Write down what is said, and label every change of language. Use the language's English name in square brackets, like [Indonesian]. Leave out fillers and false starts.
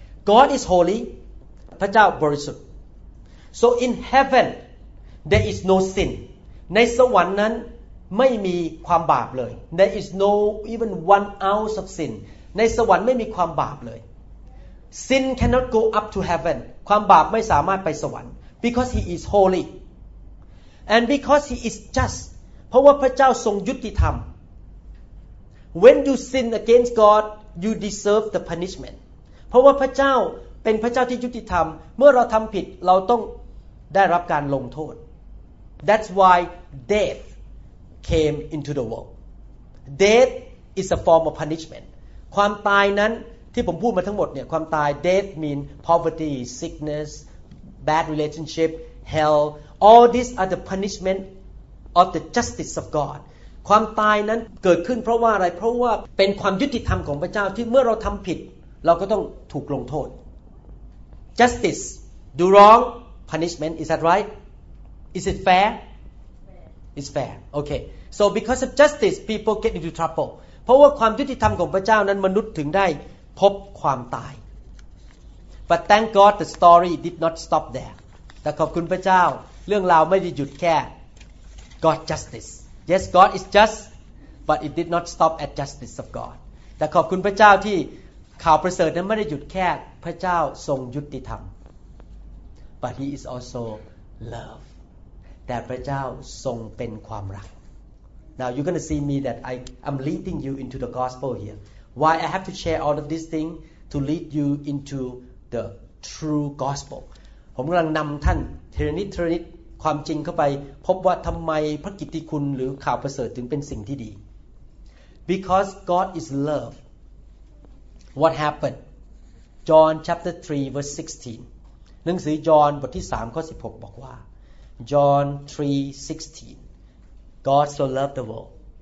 [English] God is holy [Thai] พระเจ้าบริสุทธิ์ [English] So in heaven there is no sin [Thai] ในสวรรค์นั้นไม่มีความบาปเลย [English] There is no even one ounce of sin [Thai] ในสวรรค์ไม่มีความบาปเลย [English] Sin cannot go up to heaven [Thai] ความบาปไม่สามารถไปสวรรค์ [English] Because he is holy and because he is just [Thai] เพราะว่าพระเจ้าทรงยุติธรรม [English] When you sin against God, you deserve the punishment. [Thai] เพราะว่าพระเจ้าเป็นพระเจ้าที่ยุติธรรมเมื่อเราทำผิดเราต้องได้รับการลงโทษ [English] That's why death came into the world. Death is a form of punishment. [Thai] ความตายนั้นที่ผมพูดมาทั้งหมดเนี่ยความตาย [English] death means poverty, sickness, bad relationship, hell. All these are the punishment of the justice of God. [Thai] ความตายนั้นเกิดขึ้นเพราะว่าอะไรเพราะว่าเป็นความยุติธรรมของพระเจ้าที่เมื่อเราทำผิดเราก็ต้องถูกลงโทษ [English] Justice do wrong punishment is that right is it fair it's fair okay so because of justice people get into trouble [Thai] เพราะว่าความยุติธรรมของพระเจ้านั้นมนุษย์ถึงได้พบความตาย [English] but thank God the story did not stop there [Thai] แต่ขอบคุณพระเจ้าเรื่องราวไม่ได้หยุดแค่ [English] God justiceYes, God is just, but it did not stop at justice of God. [Thai] แต่ขอบคุณพระเจ้าที่ข่าวประเสริฐนั้นไม่ได้หยุดแค่พระเจ้าทรงยุติธรรม [English] But he is also love. [Thai] แต่พระเจ้าทรงเป็นความรัก [English] Now you're going to see me that I'm leading you into the gospel here. Why I have to share all of these things to lead you into the true gospel. [Thai] ผมกำลังนำท่านทีละนิดทีละนิดความจริงเข้าไปพบว่าทำไมพระกิตติคุณหรือข่าวประเสริฐถึงเป็นสิ่งที่ดี [English] Because God is love What happened John chapter 3 verse 16 [Thai] หนังสือยอห์นบทที่3ข้อ16บอกว่า [English] John 3 16 God so loved the world